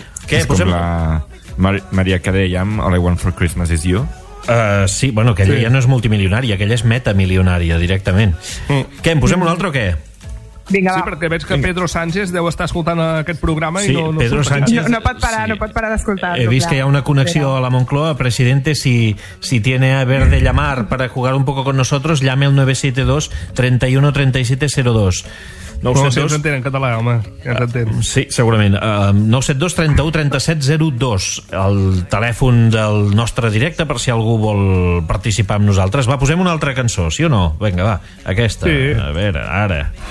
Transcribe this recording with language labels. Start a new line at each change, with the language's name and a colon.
Catalan: Què, és posem... com la Maria Carey amb All I Want for Christmas Is You. Sí, bueno, aquella sí. Ja no és multimilionària, aquella és metamilionària, directament. Què, en posem un altre o què? Vinga, sí, perquè veig que Pedro Sánchez deu estar escoltant aquest programa, sí, i no Pedro Sánchez, no pot parar, sí. No pot parar d'escoltar-lo. He vist que hi ha una connexió a la Moncloa.
Spanish: Presidente, si tiene a ver de llamar para jugar un poco con nosotros, llame al 972-313702.
Catalan: 972... No ho sé, no en català, home. Ja t'entén. Sí, segurament. 972-31-3702, el telèfon del nostre directe, per si algú vol participar amb nosaltres. Va, posem una altra cançó, sí o no? Vinga, va, aquesta. Sí. A veure, ara...